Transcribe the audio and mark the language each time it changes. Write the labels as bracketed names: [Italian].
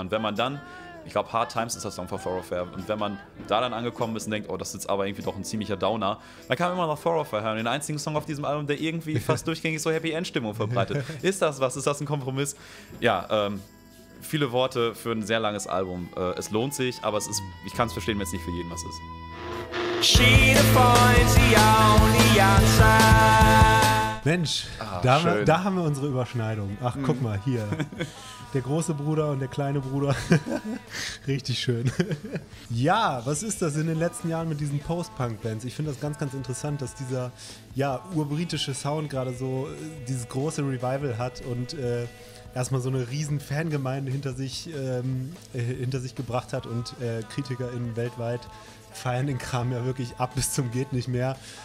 [German] Und wenn man dann, ich glaube, Hard Times ist der Song von Thoroughfare. Und wenn man da dann angekommen ist und denkt, oh, das ist jetzt aber irgendwie doch ein ziemlicher Downer, dann kann man immer noch Thoroughfare hören. Den einzigen Song auf diesem Album, der irgendwie fast durchgängig so Happy-End-Stimmung verbreitet. Ist das was? Ist das ein Kompromiss? Ja, viele Worte für ein sehr langes Album. Es lohnt sich, aber es ist, ich kann es verstehen, wenn es nicht für jeden was ist. [English] She defines the only answer. [German] Mensch, da haben wir unsere Überschneidung. Ach, guck mal, hier. Der große Bruder und der kleine Bruder. Richtig schön. Ja, was ist das in den letzten Jahren mit diesen Post-Punk-Bands? Ich finde das ganz, ganz interessant, dass dieser urbritische Sound gerade so dieses große Revival hat und erstmal so eine riesen Fangemeinde hinter sich gebracht hat und KritikerInnen weltweit feiern den Kram ja wirklich ab bis zum geht nicht mehr.